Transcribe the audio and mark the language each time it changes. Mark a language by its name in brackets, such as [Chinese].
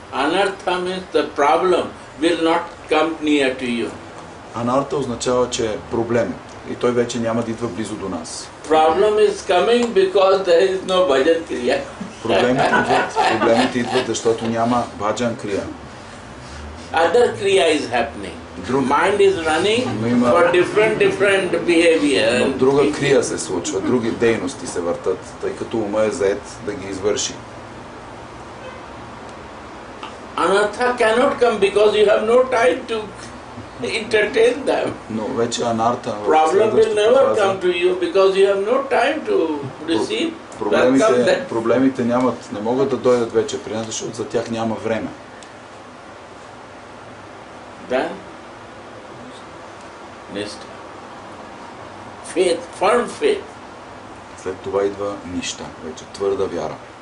[English] Anartha means the problem will not come near to you. [Bulgarian] Anartha означава, че е проблем и той вече няма да идва близо до нас. [English] Problem is coming because there is no Bhajan Kriya. [Bulgarian] Проблемите идват, защото няма Bhajan Kriya. [English] Other Kriya is happening. Mind is running for different behavior. [Bulgarian] Но друга крия се случва, други дейности се въртат, тъй като ума е зает да ги извърши. [English] Anartha cannot come because you have no time to entertain them. [Bulgarian] Но вече анарта. [English] Problem will never come to you because you have no time to receive. [Bulgarian] Проблемите нямат, не могат да дойдат вече при нас, защото за тях няма време. Да. [English] Нищо. Faith, firm faith. [Bulgarian] След това идва нищо, вече твърда вяра.